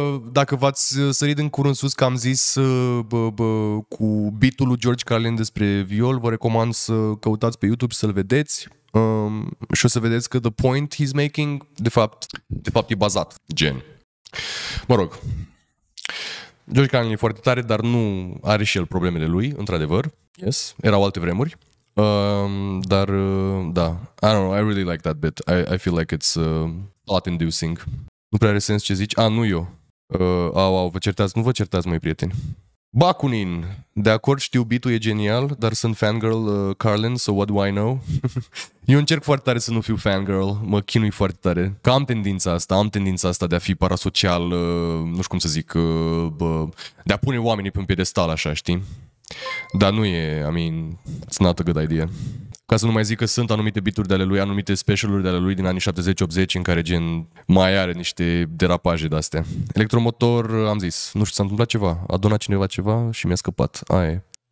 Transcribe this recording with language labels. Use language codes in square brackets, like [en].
[ro] Dacă v-ați sărit în curând sus că am zis cu beat-ul lui George Carlin despre viol, vă recomand să căutați pe YouTube să-l vedeți. Și o să vedeți că [en] the point he's making, [ro] de fapt e bazat, gen. Mă rog, George Carlin e foarte tare, dar nu are și el problemele lui, într-adevăr. Yes, erau alte vremuri. Dar da, [en] I don't know, I really like that bit. I feel like it's thought inducing. [ro] Nu prea are sens ce zici. Ah, nu eu. Vă certați, nu vă certați, măi prieteni. Bakunin, de acord, știu beat-ul e genial, dar sunt fangirl Carlin, [en] so what do I know? [ro] Eu încerc foarte tare să nu fiu fangirl, mă chinui foarte tare. Că am tendința asta, de a fi parasocial, nu știu cum să zic, de a pune oamenii pe un piedestal așa, știi? Dar nu e, [en] I mean, it's not a good idea. [ro] Ca să nu mai zic că sunt anumite beat-uri de ale lui, anumite special-uri de ale lui din anii 70-80, în care gen mai are niște derapaje de-astea. Electromotor, am zis, nu știu, s-a întâmplat ceva, a donat cineva ceva și mi-a scăpat, aia e.